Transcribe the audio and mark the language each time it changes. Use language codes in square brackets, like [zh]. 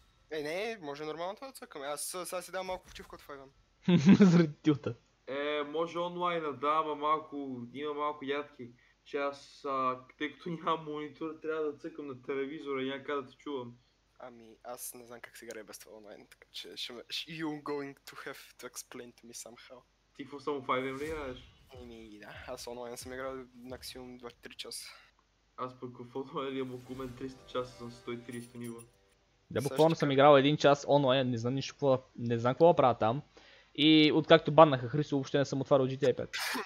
[bg] Е, не, може нормално това да цъкаме. Аз сега си давам малко почивка от 5M. Заради тилта. Е, може онлайна, да, ама малко, има малко ядки. Че аз, тъй като нямам монитор, трябва да цъкам на телевизора и някак да те чувам. Ами, аз не знам как се играе без това онлайн, така че ще ме... [en] You're going to have to explain to me somehow. [bg] Ти какво само 5M ли играеш? Ами, да. Аз онлайн съм играл максимум 2-3 часа. Аз пък в онлайн имам около мен 300 часа съм 130 нива. Да, буквално съм играл един час онлайн, не знам нищо какво, не знам какво да правя там. И откакто баннаха Хрисо, въобще не съм отварял GTA 5.